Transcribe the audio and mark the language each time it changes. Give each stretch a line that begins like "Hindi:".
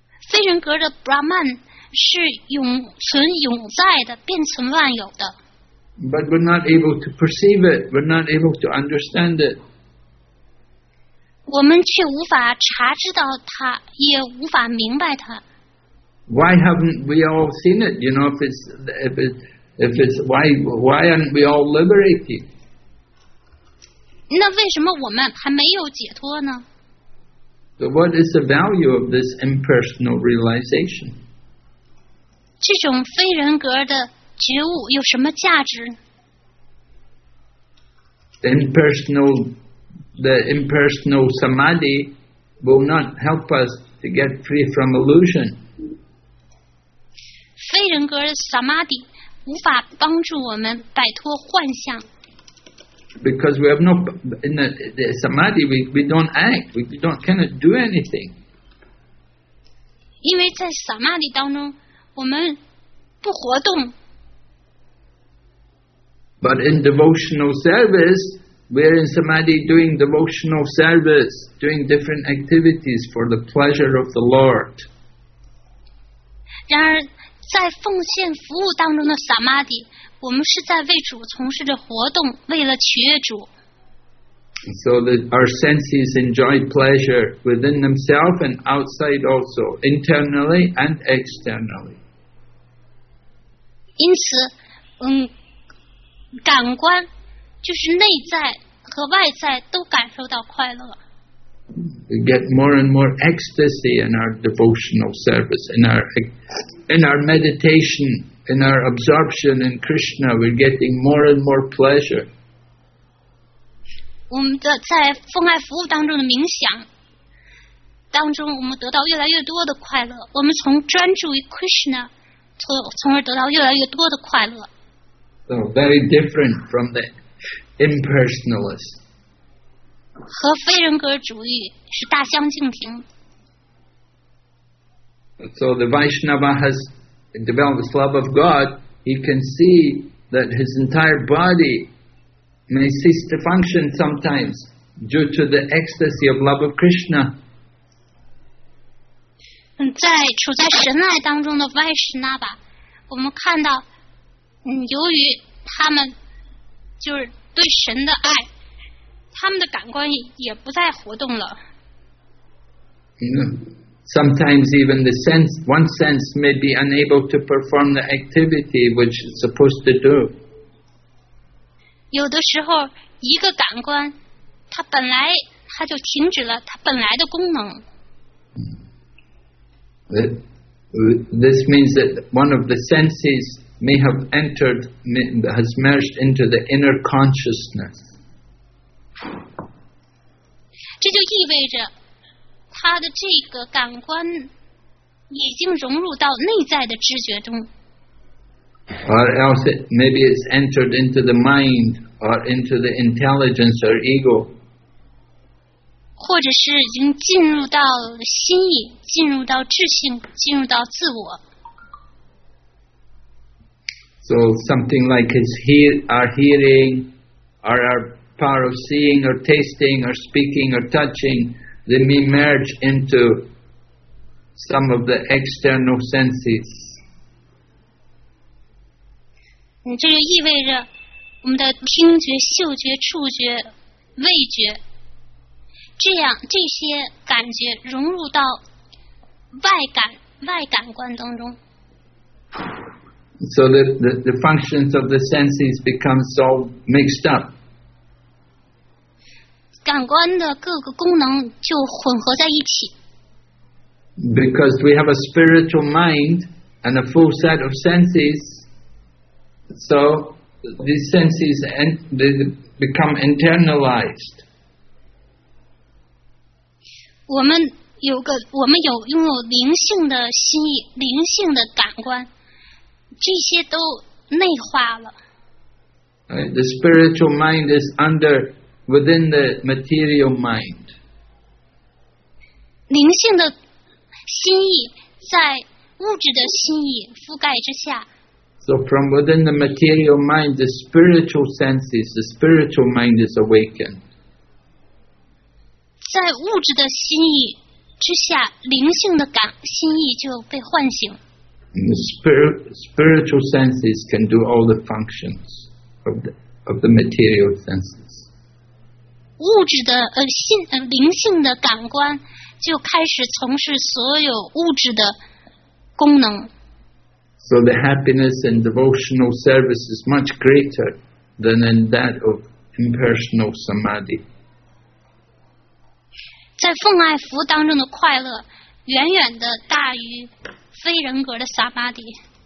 Chinese: 非人格的 Brahman 是永存永在的，遍存万有的。
English: But we're not able to perceive it. We're not able to understand it.
Chinese: 我们却无法察知到它，也无法明白它。
English: Why haven't we all seen it? You know, if it's why aren't we all liberated?
Chinese: 那为什么我们还没有解脱呢？
English: So what is the value of this impersonal realization?
Chinese: 这种非人格的觉悟有什么价值？
English: The impersonal samadhi will not help us to get free from illusion.
Chinese: 非人格的 samadhi 无法帮助我们摆脱幻象。
English: Because we have no in the samadhi, we don't act, we don't cannot do anything.
Chinese: 因为在 samadhi 当中，我们不活动。
English: But in devotional service, we are in samadhi doing devotional service, doing different activities for the pleasure of the Lord.
Chinese: 然而，在奉献服务当中的 samadhi。我们是在为主从事着活动，为了取悦主。
English: So that our senses enjoy pleasure within themselves and outside also, internally and externally.
Chinese: 因此，感官就是内在和外在都感受到快乐。
English: We get more and more ecstasy in our devotional service, in our meditation. In our absorption in Krishna, we're getting more and more pleasure.
Chinese: 我们的在奉爱服务当中的冥想当中，我们得到越来越多的快乐。我们从专注于 Krishna， 从而得到越来越多的快乐。
English: So very different from the impersonalist.
Chinese: 和非人格主义是大相径庭。
English: So the Vaishnava has. Develops love of God, he can see that his entire body may cease to function sometimes due to the ecstasy of love of Krishna.
Chinese: 在处在神爱当中的 Vaishnava， 我们看到，由于他们就是对神的爱，他们的感官也不再活动了。 Mm-hmm.
English: Sometimes even the sense, one sense may be unable to perform the activity which it's supposed to do.
Chinese: 有的时候，一个感官，它就停止了它本来的功能。
English: This means that one of the senses may have entered, has merged into the inner consciousness.
Chinese: 这就意味着他的这个感官已经融入到内在的知觉中。
English: Or else, maybe it's entered into the mind, or into the intelligence, or ego.
Chinese: 或者是已经进入到心意，进入到智性，进入到自我。
English: So something like our hearing, or our power of seeing, or tasting, or speaking, or touching. They may merge into some of the external senses.
Chinese: 这就意味着我们的听觉、嗅觉、触觉、味觉，这样这些感觉融入到外感官当中。
English: So the functions of the senses become so mixed up.
Chinese: 感官的各个功能就混合在一起。
English: Because we have a spiritual mind and a full set of senses, so these senses become internalized.
Chinese: 我们有拥有灵性的心意，灵性的感官，这些都内化了。
English: Right, the spiritual mind is under. Within the material mind,
Chinese: 灵性的心意在物质的心意覆盖之下。
English: So from within the material mind, the spiritual senses, the spiritual mind is awakened.
Chinese: 在物质的心意之下，灵性的心意就被唤醒。
English: The spiritual senses can do all the functions of the material senses.
Chinese: 物质的灵性的感官就开始从事所有物质的功能。
English: So the happiness in devotional service is much greater than in that of impersonal samadhi.
Chinese: 在奉爱服务当中的快乐远远的大于非人格的 samadhi.